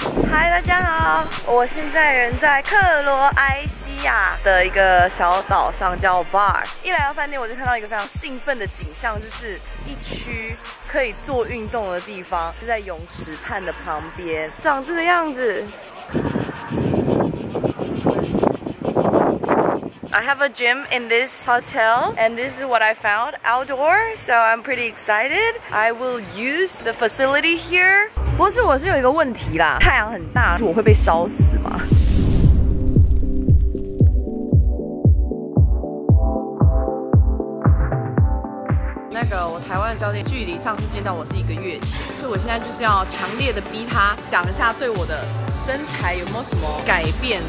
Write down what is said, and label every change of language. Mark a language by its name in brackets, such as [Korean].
[Chinese] 嗨，大家好，我现在人在克罗埃西亚的一个小岛上叫 Bar。一来到饭店我就看到一个非常兴奋的景象，就是一区可以做运动的地方就在泳池畔的旁边，长这个样子。 [English] I have a gym in this hotel and this is what I found outdoor, so I'm pretty excited. I will use the facility here. [Chinese] 不是，我是有一个问题啦，太阳很大，我会被烧死吗？那个我台湾的教练距离上次见到我是一个月前，所以我现在就是要强烈的逼他讲一下对我的身材有没有什么改变。